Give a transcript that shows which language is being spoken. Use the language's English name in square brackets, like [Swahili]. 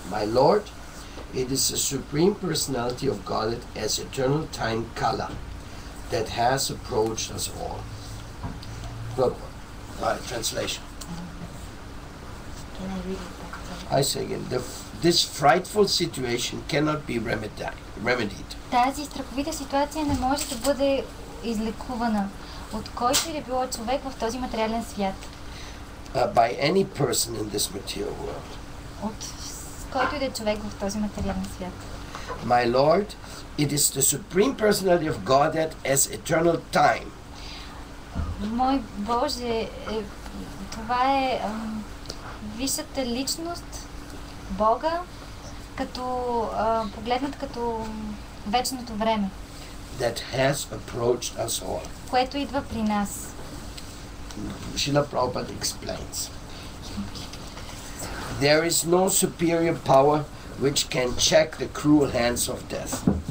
[English] My Lord, it is the Supreme Personality of Godhead as eternal time kala that has approached us all. Translation. Can I read it back? I say again, this frightful situation cannot be remedied. [Bulgarian] Тази страховита ситуация не може да бъде излекувана от който и да било човек в този материален свят. [English] By any person in this material world. [Bulgarian] От който и да е човек в този материален свят. [English] My Lord, it is the Supreme Personality of Godhead as eternal time. [Bulgarian] Мой Боже, това е висшата личност Бога, като погледнат като вечното време. [English] That has approached us all. [Bulgarian] Което идва при нас. [English] Шрила Прабхупада explains. There is no superior power which can check the cruel hands of death.